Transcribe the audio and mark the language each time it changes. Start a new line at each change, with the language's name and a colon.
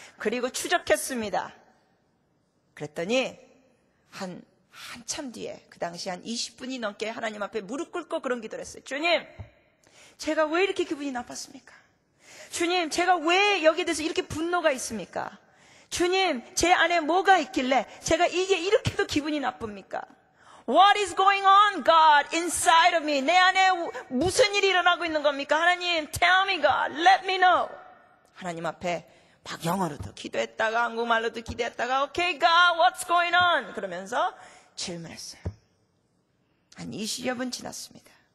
Korean: 그리고 추적했습니다. 그랬더니 한참 뒤에 그 당시 한 20분이 넘게 하나님 앞에 무릎 꿇고 그런 기도를 했어요. 주님, 제가 왜 이렇게 기분이 나빴습니까? 주님, 제가 왜 여기에 대해서 이렇게 분노가 있습니까? 주님, 제 안에 뭐가 있길래 제가 이게 이렇게도 기분이 나쁩니까?
English: What is going on, God, inside of me?
Korean: 내 안에 무슨 일이 일어나고 있는 겁니까?
English: 하나님, tell me, God, let me know.
Korean: 하나님 앞에 막 영어로도 기도했다가 한국말로도 기도했다가
English: Okay, God, what's going on?
Korean: 그러면서 질문했어요. 한 20여 분 지났습니다.